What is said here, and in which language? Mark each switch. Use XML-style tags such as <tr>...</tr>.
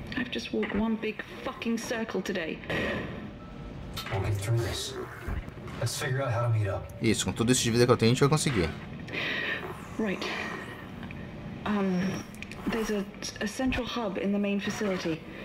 <en>Just walk one big fucking circle today. We'll get through this. Let's figure out how to meet up.</en> <pt>Isso, com tudo isso de vida que eu tenho, a gente vai conseguir.</pt> <en>Right. There's a central hub in the main facility.</en>